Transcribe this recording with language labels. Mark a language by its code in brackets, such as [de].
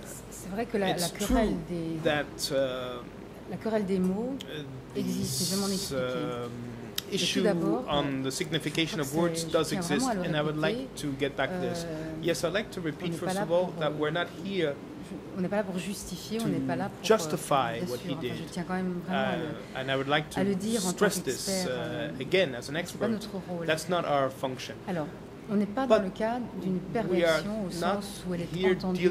[fr] C'est vrai que la querelle des la querelle des mots existe, je m'en explique. [en] Issue on the signification of words does exist, and I would like to get back this. Yes, I'd like to repeat first of all that we're not here [fr] on n'est pas là pour justifier, [en] to [fr] on n'est pas là pour [en] justify what he did. [fr] Enfin, je tiens quand même [en] and I would like to stress this again as an expert. [fr] C'est pas notre rôle. [en] That's not our function. [fr] Alors, on n'est pas dans le cas d'une perversion au sens où elle est entendue